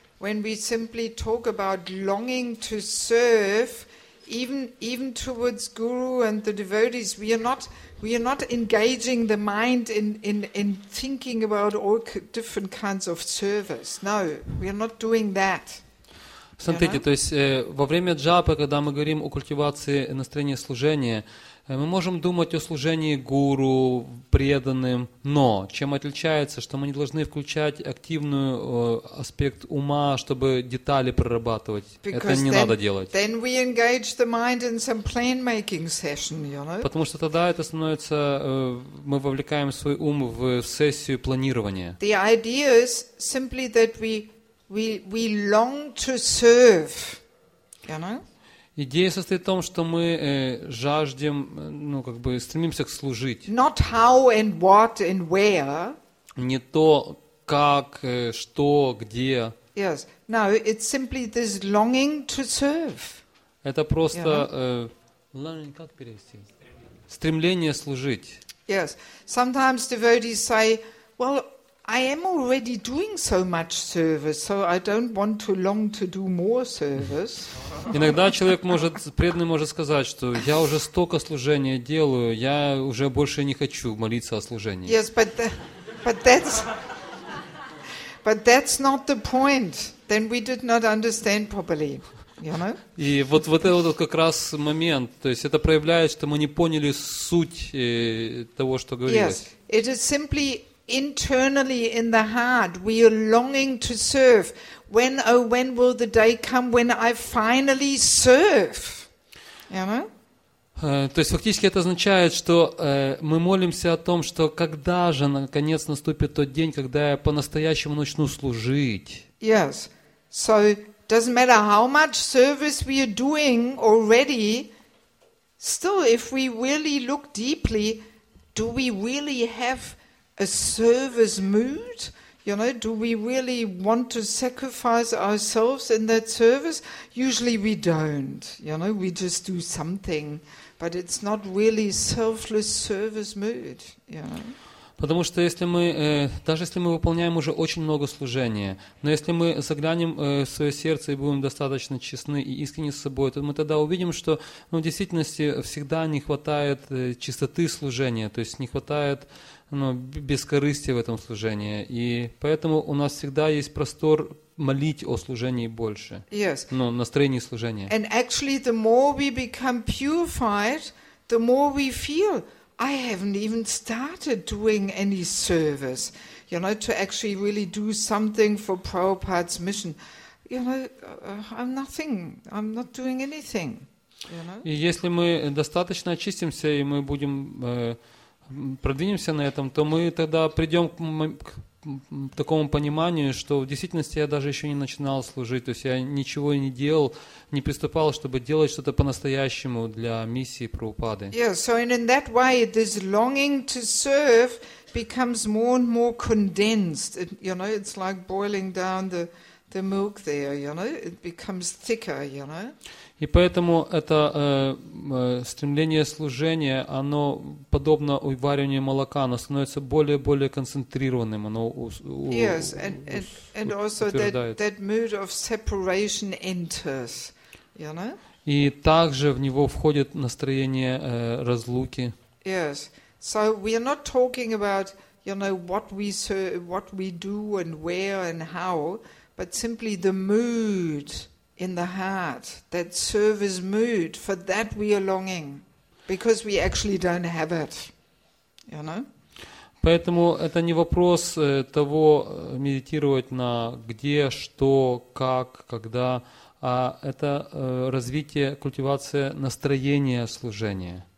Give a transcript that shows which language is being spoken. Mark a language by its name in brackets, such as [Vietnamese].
[English] When we simply talk about longing to serve, even towards guru and the devotees, we are not engaging the mind in thinking about all different kinds of service. No, we are not doing that. [Russian] Смотрите, то есть во время джапы, когда мы говорим о культивации настроения служения, мы можем думать о служении гуру, преданным, но чем отличается, что мы не должны включать активный аспект ума, чтобы детали прорабатывать. [English] Because [Russian] это не [English] then, [Russian] надо делать. [English] Then we engage the mind in some plan-making session, you know? [Russian] Потому что тогда это становится, мы вовлекаем свой ум в сессию планирования. [English] The idea is simply that we long to serve, you know? [Russian] Идея состоит в том, что мы жаждем, ну, как бы стремимся к служить. [English] Not how and what and where. [Russian] Не то, как, что, где. [English] Yes. No, it's simply this longing to serve. [Russian] Это просто learning, как перевести? Стремление служить. [English] Yes. Sometimes devotees say, well, I am already doing so much service, so I don't want to long to do more service. [Russian] Иногда человек может, преданный может сказать, что я уже столько служения делаю, я уже больше не хочу молиться о служении. [English] Yes, but that's not the point. Then we did not understand properly, you know? [Russian] И вот этот как раз момент, то есть это проявляет, что мы не поняли суть того, что говорилось. [English] Yes, it is simply internally in the heart we are longing to serve. When, oh, when will the day come when I finally serve? You know? [Russian] То есть фактически это означает, что мы молимся о том, что когда же наконец наступит тот день, когда я по-настоящему начну служить. [English] Yes. So doesn't matter how much service we are doing already, still if we really look deeply, do we really have a service mood, you know? Do we really want to sacrifice ourselves in that service? Usually we don't, you know, we just do something, but it's not really selfless service mood, you know? [Russian] Потому что если мы, даже если мы выполняем уже очень много служения, но если мы заглянем в свое сердце и будем достаточно честны и искренни с собой, то мы тогда увидим, что ну, в действительности всегда не хватает чистоты служения, то есть не хватает ну, бескорыстия в этом служении. И поэтому у нас всегда есть простор молить о служении больше. [English] Yes. [Russian] Ну, настроение служения. [English] And actually, the more we become purified, the more we feel I haven't even started doing any service, you know, to actually really do something for Prabhupada's mission. You know, I'm nothing. I'm not doing anything. You know. [Russian] И если мы достаточно очистимся и мы будем продвинемся на этом, то мы тогда придем к такому пониманию, что в действительности я даже еще не начинал служить, то есть я ничего не делал, не приступал, чтобы делать что-то по-настоящему для миссии Прабхупады. [English] Yeah, so in that way this longing to serve becomes more and more condensed. It, you know, it's like boiling down the milk there, you know? It becomes thicker, you know? [Russian] И поэтому это стремление служения, оно подобно увариванию молока, оно становится более и более концентрированным, оно утверждается. И также в него входит настроение разлуки. [English] Yes, so we are not talking about, you know, what we do and where and how, but simply the mood in the heart, that service mood, for that we are longing, because we actually don't have it, you know? [Russian] Поэтому это не вопрос того, медитировать на где, что, как, когда, а это развитие, культивация настроения служения.